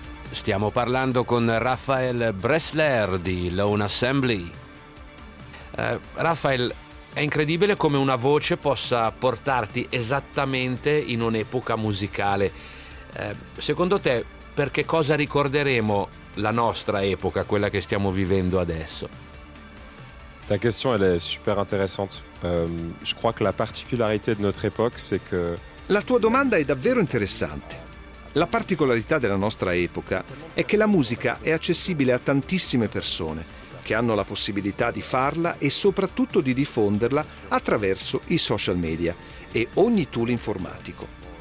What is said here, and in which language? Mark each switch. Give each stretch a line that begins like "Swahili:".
Italian: Stiamo parlando con Raphael Bressler di Lone Assembly. Raphael, è incredibile come una voce possa portarti esattamente in un'epoca musicale. Secondo te, per che cosa ricorderemo la nostra epoca, quella che stiamo vivendo adesso?
French: Ta question elle est super intéressante. Je crois que la particularité de notre époque c'est que...
Italian: La tua domanda è davvero interessante. La particolarità della nostra epoca è che la musica è accessibile a tantissime persone che hanno la possibilità di farla e soprattutto di diffonderla attraverso i social media e ogni tool informatico.